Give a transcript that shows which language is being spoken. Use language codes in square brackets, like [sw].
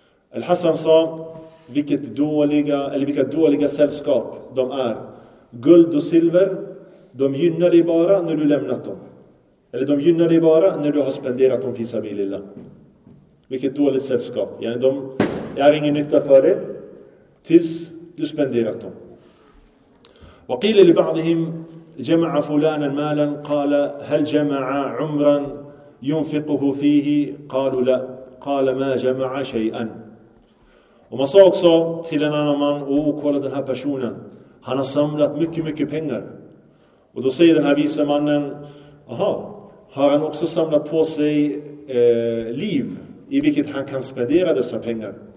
[sv] Al-Hasan sa, vilka dåliga sällskap de är. Guld och silver, de gynnar dig bara när du lämnat dem. Eller de gynnar dig bara när du har spenderat dem fisabilillah. Vilket dåligt sällskap. Yani de är ingen nytta för dig tills du spenderat dem. [ar] وقيل لبعضهم جمع فلانا مالا قال هل جمع عمرا ينفقه فيه قالوا لا قال ما جمع شيئا. [sv] Och man sa också till en annan man, åh, kolla den här personen, han har samlat mycket, mycket pengar. Och då säger den här vise mannen, aha, har han också samlat på sig liv i vilket han kan spendera dessa pengar?